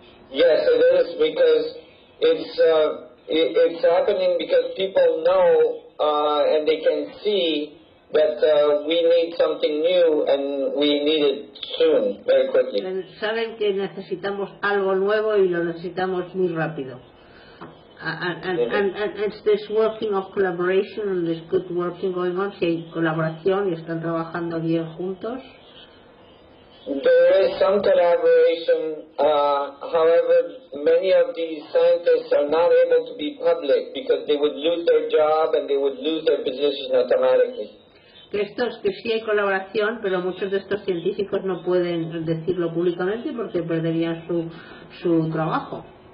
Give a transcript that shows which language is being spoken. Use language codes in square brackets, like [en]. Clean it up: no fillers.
[en] yes, it is, because it's happening because people know and they can see that we need something new and we need it soon, very quickly. [es] Saben que necesitamos algo nuevo y lo necesitamos muy rápido. [en] And it's this working of collaboration and this good working going on. [es] Si hay colaboración y están trabajando bien juntos. [en] There is some collaboration, however, many of these scientists are not able to be public because they would lose their job and they would lose their position automatically. [es] Que sí hay colaboración, pero muchos de estos científicos no pueden decirlo públicamente porque perderían su trabajo.